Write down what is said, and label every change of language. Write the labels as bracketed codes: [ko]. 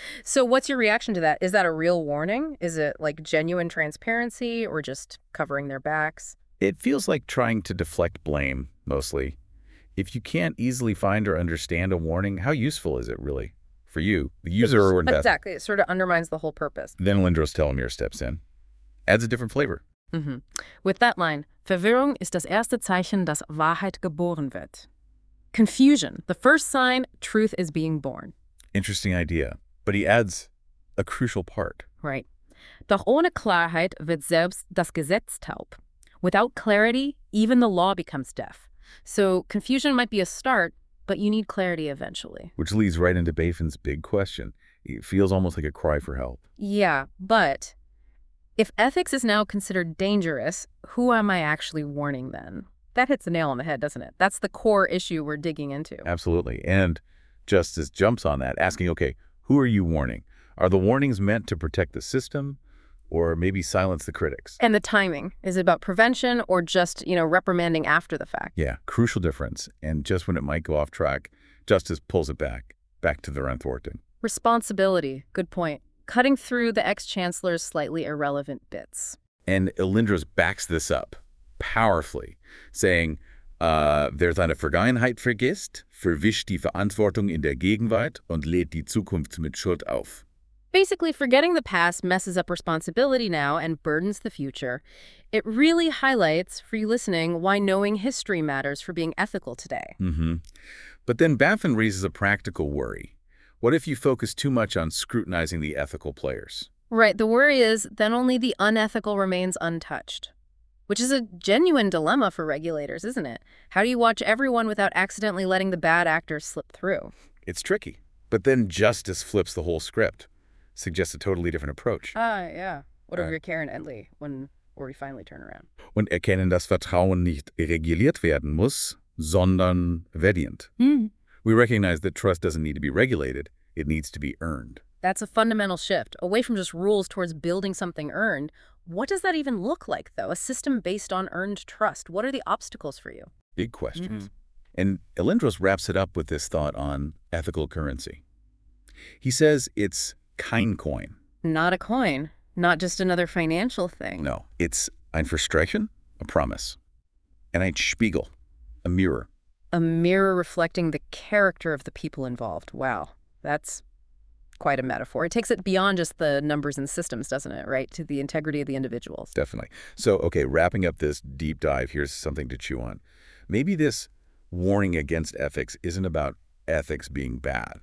[en] So what's your reaction to that? Is that a real warning? Is it like genuine transparency or just covering their backs? It feels like trying to deflect blame, mostly. If you can't easily find or understand a warning, how useful is it really for you, the user or investor? Exactly. It sort of undermines the whole purpose. Then Lindros Telemir steps in. Adds a different flavor. Mm-hmm. With that line, [de] Verwirrung ist das erste Zeichen, dass Wahrheit geboren wird. [en] Confusion, the first sign truth is being born. Interesting idea. But he adds a crucial part. Right. [de] Doch ohne Klarheit wird selbst das Gesetz taub. [en] Without clarity, even the law becomes deaf. So confusion might be a start, but you need clarity eventually. Which leads right into Bufin's big question. It feels almost like a cry for help. Yeah, but if ethics is now considered dangerous, who am I actually warning then? That hits a nail on the head, doesn't it? That's the core issue we're digging into. Absolutely. And Justice jumps on that, asking, okay, who are you warning? Are the warnings meant to protect the system? Or maybe silence the critics. And the timing. Is it about prevention or just, you know, reprimanding after the fact? Yeah, crucial difference. And just when it might go off track, Justice pulls it back to Verwirrung thwarting. Responsibility. Good point. Cutting through the ex-chancellor's slightly irrelevant bits. And Lindros backs this up powerfully, saying, Wer seine Vergangenheit vergisst, verwischt die Verantwortung in der Gegenwart und lädt die Zukunft mit Schuld auf. Basically, forgetting the past messes up responsibility now and burdens the future. It really highlights, for you listening, why knowing history matters for being ethical today. Mm-hmm. But then Bufin raises a practical worry. What if you focus too much on scrutinizing the ethical players? Right. The worry is then only the unethical remains untouched, which is a genuine dilemma for regulators, isn't it? How do you watch everyone without accidentally letting the bad actors slip through? It's tricky. But then Justice flips the whole script. Suggests a totally different approach. Ah, yeah. What of your Karen Endley when we finally turn around? [de] Und erkennen, dass Vertrauen nicht reguliert werden muss, sondern verdient. Mm. [en] We recognize that trust doesn't need to be regulated. It needs to be earned. That's a fundamental shift. Away from just rules towards building something earned. What does that even look like, though? A system based on earned trust. What are the obstacles for you? Big questions. Mm-hmm. And Lindros wraps it up with this thought on ethical currency. He says it's kein coin. Not a coin. Not just another financial thing. No. It's ein Versprechen, a promise. And ein Spiegel, a mirror. A mirror reflecting the character of the people involved. Wow. That's quite a metaphor. It takes it beyond just the numbers and systems, doesn't it? Right? To the integrity of the individuals. Definitely. So, okay, wrapping up this deep dive, here's something to chew on. Maybe this warning against ethics isn't about ethics being bad.